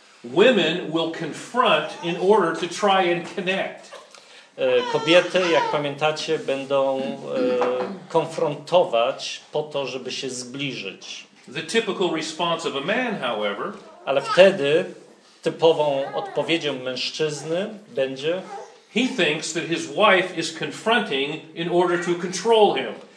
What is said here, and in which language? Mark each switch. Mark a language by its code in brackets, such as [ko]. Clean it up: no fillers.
[en] Women will confront in order to try and connect. [pl] Kobiety, jak pamiętacie, będą konfrontować po to, żeby się zbliżyć. [en] The typical response of a man, however, [pl] ale wtedy typową odpowiedzią mężczyzny będzie: [en] he thinks that his wife is confronting in order to control him.